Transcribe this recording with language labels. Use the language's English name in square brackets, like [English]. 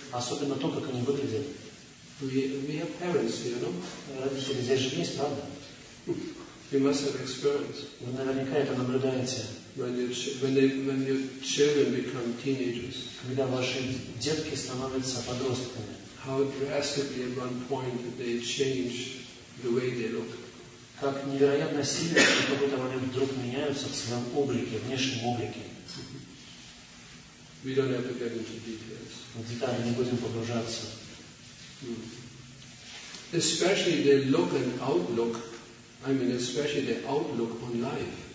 [Russian] Особенно то, как они выглядят. [English] We have parents, you know. [Russian] Родители здесь же есть, правда? [English] You must have experienced. [Russian] Вы наверняка это наблюдаете. [English] When your children become teenagers. [Russian] Когда ваши детки становятся подростками. [English] How drastically at one point they change the way they look. [Russian] Как невероятно сильно в какой-то момент вдруг меняются в своем облике, внешнем облике. [English] We don't have to get into details. [Russian] В детали не будем погружаться. [English] Especially their look and outlook. I mean, especially their outlook on life.